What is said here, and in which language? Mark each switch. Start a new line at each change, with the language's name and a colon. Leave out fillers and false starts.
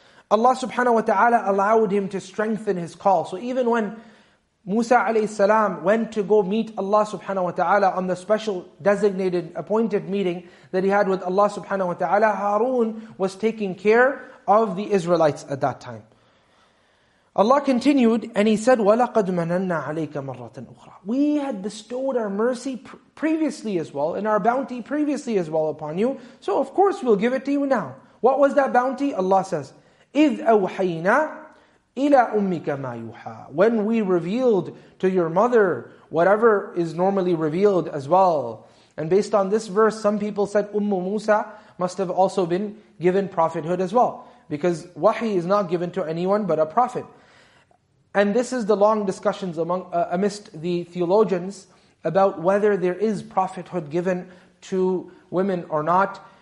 English: Allah subhanahu wa ta'ala allowed him to strengthen his call. So even when Musa alayhi salam went to go meet Allah subhanahu wa ta'ala on the special designated appointed meeting that he had with Allah subhanahu wa ta'ala, Harun was taking care of the Israelites at that time.
Arabic: Allah continued and He said, وَلَقَدْ مَنَنَّا عَلَيْكَ مَرَّةً أُخْرَى.
English: We had bestowed our mercy previously as well, and our bounty previously as well upon you. So of course we'll give it to you now. What was that bounty?
Arabic: Allah says, إِذْ أَوْحَيْنَا إِلَىٰ أُمِّكَ مَا يُحَىٰ.
English: When we revealed to your mother whatever is normally revealed as well. And based on this verse, some people said Ummu Musa must have also been given prophethood as well. Because wahi is not given to anyone but a prophet. And this is the long discussions amidst the theologians about whether there is prophethood given to women or not.